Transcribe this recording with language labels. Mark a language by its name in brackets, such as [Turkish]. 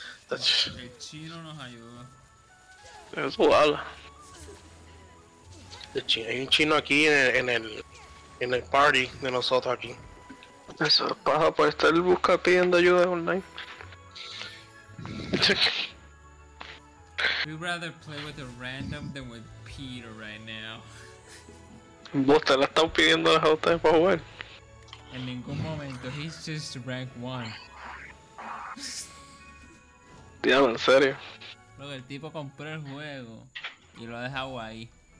[Spanish] El chino nos ayudó. Eso habla. Hay un chino aquí en el party de nosotros aquí. Eso pasa por estar buscando pidiendo ayuda online. [English] We'd rather play with a random than with Peter right now. [Spanish] ¿Vos te la estás pidiendo a ustedes para jugar? [English] En ningún momento, he's just rank 1. [Spanish] Diablo, en serio. Lo que el tipo compró el juego y lo ha dejado ahí.